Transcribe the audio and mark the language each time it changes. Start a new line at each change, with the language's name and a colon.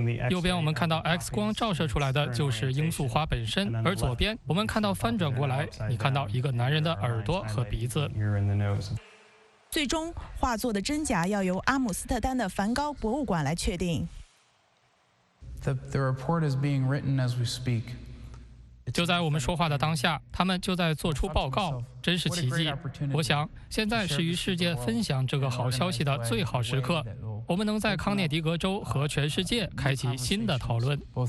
Chinese: 右边我们看到 X 光照射出来的就是罂粟花本身，而左边我们看到翻转过来，你看到一个男人的耳朵和鼻子。最终，画作的真假要由阿姆斯特丹的梵高博物馆来确定。
English: The report is being written as we speak。
Chinese: 就在我们说话的当下，他们就在做出报告，真是奇迹。我想，现在是与世界分享这个好消息的最好时刻。我们能在康涅狄格州和全世界开启新的讨论。